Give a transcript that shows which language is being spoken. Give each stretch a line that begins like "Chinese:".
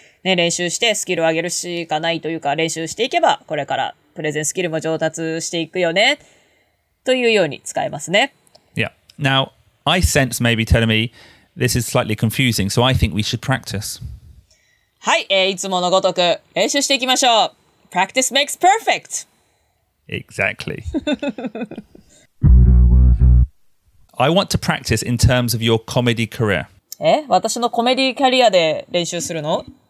Japanese: ね、練習してスキルを上げるしかないというか、練習していけばこれからプレゼンスキルも上達していくよねというように使えますね。
English: Yeah. Now, I sense maybe telling me this is slightly confusing, so I think we should practice.
Japanese: はい、いつものごとく練習していきましょう。
English: Practice makes perfect! Exactly. I want to practice in terms of your comedy career.
Japanese: 私のコメディキャリアで練習するの？